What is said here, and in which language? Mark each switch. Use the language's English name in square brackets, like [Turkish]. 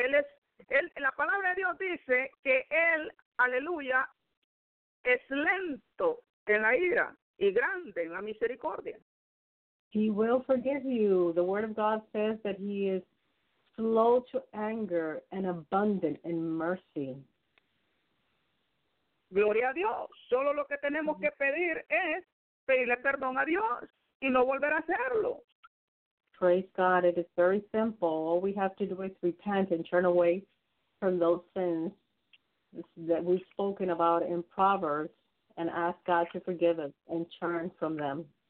[Spanish] Él es, él, la palabra de Dios dice que Él, aleluya, es lento en la ira y grande en la misericordia. [English] He will forgive you. The word of God says that he is slow to anger and abundant in mercy. [Spanish] Gloria a Dios. Solo lo que tenemos que pedir es pedirle perdón a Dios y no volver a hacerlo. [English] Praise God. It is very simple. All we have to do is repent and turn away from those sins that we've spoken about in Proverbs and ask God to forgive us and turn from them.